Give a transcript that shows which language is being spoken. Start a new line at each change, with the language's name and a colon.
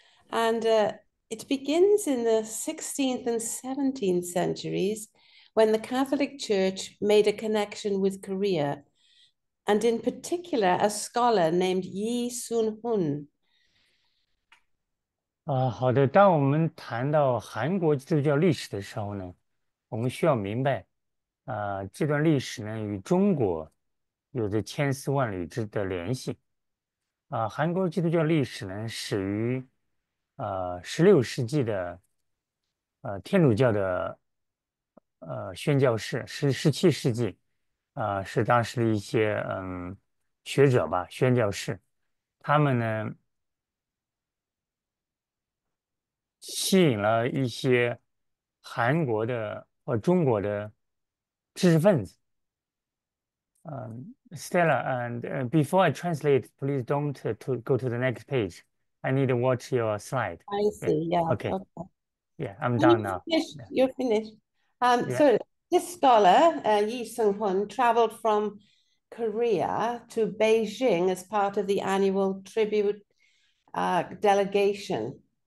English: And it begins in the 16th and 17th centuries when the Catholic Church made a connection with Korea. And in particular, a scholar named Yi Sun Hun.
Chinese: 好的。当我们谈到韩国基督教历史的时候呢，我们需要明白，这段历史呢与中国有着千丝万缕之的联系。韩国基督教历史呢始于16世纪的天主教的宣教士，17世纪是当时的一些学者吧，宣教士，他们呢吸引了一些韩国的和中国的知识分子。
English: Stella, before I translate, please don't to go to the next page. I need to watch your slide. I see. Yeah. Okay. Okay. Yeah, I'm And done now. you're finished. Yeah. So this scholar, Yi Sun Hun, traveled from Korea to Beijing as part of the annual tribute delegation.